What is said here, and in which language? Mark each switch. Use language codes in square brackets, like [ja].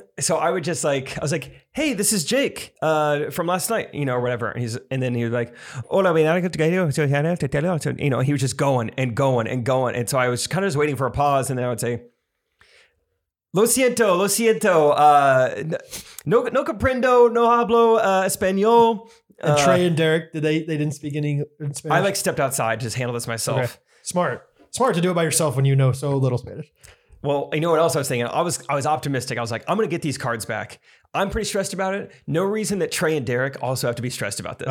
[en] So I would just hey, this is Jake from last night, you know, or whatever. And then he was like, "Hola, bien, he was just going and going and going. And so I was kind of just waiting for a pause, and then I would say, Lo siento. [es] No comprendo, no hablo español. [en] And Trey and Derek, they didn't speak any Spanish? I stepped outside to just handle this myself. Okay. Smart to do it by yourself when you know so little Spanish. Well, you know what else I was thinking? I was optimistic. I was like, I'm going to get these cards back. I'm pretty stressed about it. No reason that Trey and Derek also have to be stressed about this.